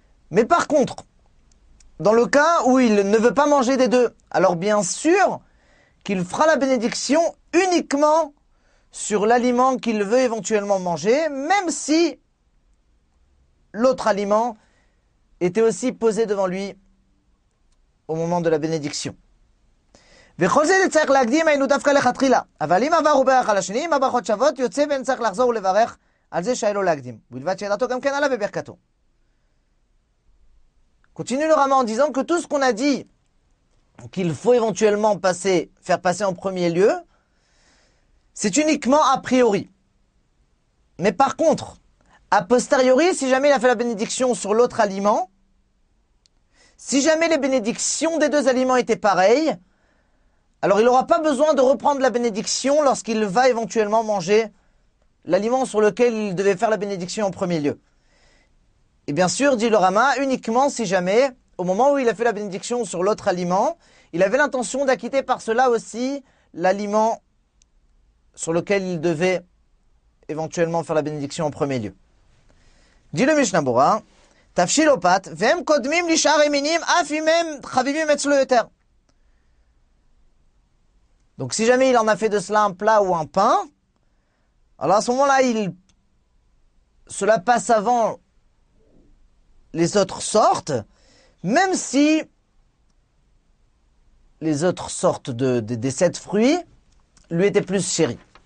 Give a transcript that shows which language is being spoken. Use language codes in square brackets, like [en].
[fr] Mais par contre, dans le cas où il ne veut pas manger des deux, alors bien sûr qu'il fera la bénédiction uniquement sur l'aliment qu'il veut éventuellement manger, même si l'autre aliment était aussi posé devant lui au moment de la bénédiction. [he] וכל זה צריך להקדים היינו דווקא לכתחילה. אבל אם עבר הוא ברך על השני, אם הברכות שוות, יוצא ואין צריך לחזור ולברך על זה שהיה לו להקדים. ובלבד שידעתו גם כן עליו בברכתו. [fr] Continue le Rama en disant que tout ce qu'on a dit qu'il faut éventuellement faire passer en premier lieu, c'est uniquement a priori. Mais par contre, a posteriori, si jamais il a fait la bénédiction sur l'autre aliment, si jamais les bénédictions des deux aliments étaient pareilles, alors il n'aura pas besoin de reprendre la bénédiction lorsqu'il va éventuellement manger l'aliment sur lequel il devait faire la bénédiction en premier lieu. Et bien sûr, dit le Rama, uniquement si jamais, au moment où il a fait la bénédiction sur l'autre aliment, il avait l'intention d'acquitter par cela aussi l'aliment sur lequel il devait éventuellement faire la bénédiction en premier lieu. Dit le [he] Mishnah Berurah, תפשיל אופת, והם קודמים לשאר המינים, אף אם הם חביבים אצלו יותר. [fr] Donc si jamais il en a fait de cela un plat ou un pain, alors à ce moment-là, cela passe avant les autres sortes, même si les autres sortes des sept fruits lui étaient plus chéris.